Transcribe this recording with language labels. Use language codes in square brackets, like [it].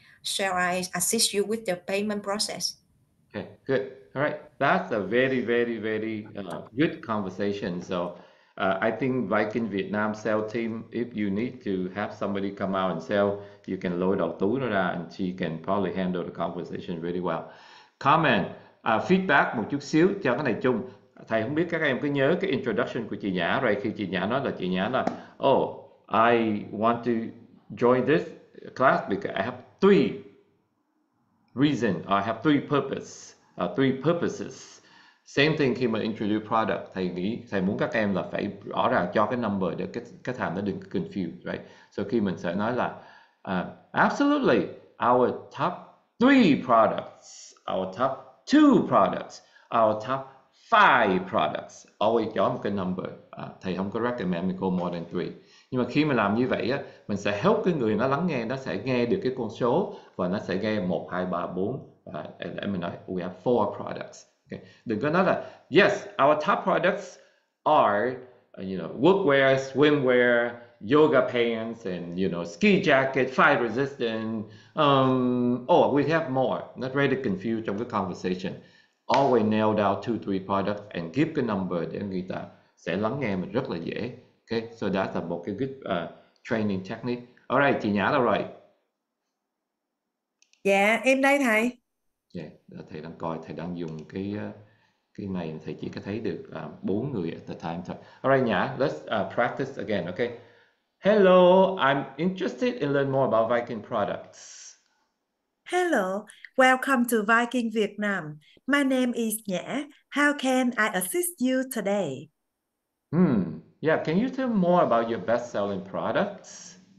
[en] Shall I assist you with the payment process? Okay, good. All right, that's a very, very, very good conversation. So I think Viking Vietnam sales team, if you need to have somebody come out and sell, you can load up Tú ra and she can probably handle the conversation really well. Comment, feedback [vi] một chút xíu cho cái này chung. Thầy không biết các em có nhớ cái [en] introduction [vi] của chị Nhã, [en] right? [vi] Khi chị Nhã nói, [en] oh, I want to join this class because I have three reasons, I have three purpose. Three purposes. Same thing [vi] khi mà [en] introduce product, [vi] thầy nghĩ thầy muốn các em là phải rõ ràng cho cái [en] number [vi] để cái thằng nó đừng [en] confused, right? [vi] So khi mình sẽ nói là [en] absolutely our top three products, our top two products, our top five products. Always [vi] cho một cái [en] number. [vi] Thầy không có [en] recommend [vi] mình [en] go more than three. [vi] Nhưng mà khi mà làm như vậy á, mình sẽ [en] help [vi] cái người nó lắng nghe, nó sẽ nghe được cái con số và nó sẽ nghe 1, 2, 3, 4. [en] Let me know, we have four products. Okay. The good yes, our top products are, you know, workwear, swimwear, yoga pants, and, you know, ski jacket, fire resistant. Oh, we have more. Not ready to confuse the conversation. Always nail down two, three products and give the number. Then [vi] người ta sẽ lắng nghe mình rất là dễ. [en] Okay, so that's a good training technique. All right, [vi] chị Nhã là rồi. [en] Yeah, [vi] em đây thầy. [en] Yeah, [vi] thầy đang coi, thầy đang dùng cái này, thầy chỉ có thấy được bốn người [en] at the time [vi] thôi. [en] Alright, Nhã, let's practice again, okay? Hello, I'm interested in learning more about Viking products. Hello, welcome to Viking Vietnam. My name is Nhã. How can I assist you today? Yeah, can you tell more about your best-selling products?